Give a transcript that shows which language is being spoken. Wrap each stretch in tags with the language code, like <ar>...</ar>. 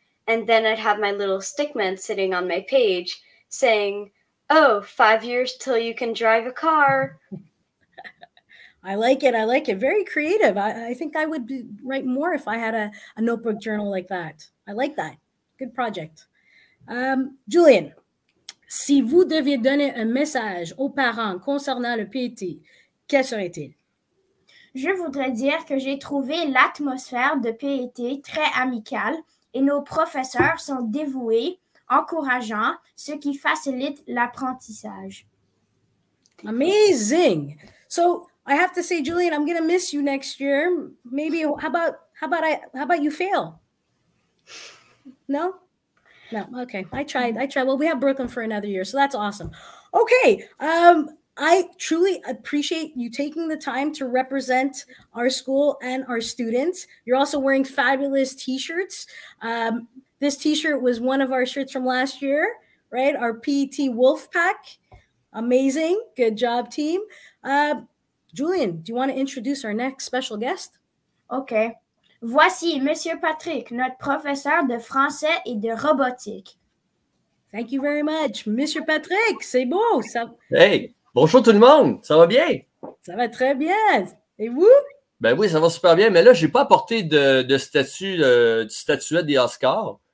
<en>And then I'd have my little stickman sitting on my page saying, oh, 5 years till you can drive a car. I like it. I like it. Very creative. I think I would write more if I had a notebook journal like that. I like that. Good project. Julian.</en> <fr>Si vous deviez donner un message aux parents concernant le PET, quel serait-il? Je voudrais dire que j'ai trouvé l'atmosphère de PET très amicale et nos professeurs sont dévoués encourageant, ce qui facilite l'apprentissage.</fr> <en>Amazing. So I have to say, Julian, I'm going to miss you next year. Maybe, how about you fail? No? No, okay. I tried. Well, we have Brooklyn for another year, so that's awesome. Okay. I truly appreciate you taking the time to represent our school and our students. You're also wearing fabulous t-shirts. This t-shirt was one of our shirts from last year, right? Our PET Wolf Pack. Amazing. Good job, team. Julian, do you want to introduce our next special guest? Okay.</en> <fr>Voici Monsieur Patrick, notre professeur de français et de robotique.</fr> <en>Thank you very much. Monsieur Patrick,</en> <fr>c'est beau. Ça... Hey, bonjour tout le monde. Ça va bien? Ça va très bien. Et vous? Ben oui, ça va super bien. Mais là, je n'ai pas apporté de statuette des Oscars.</fr>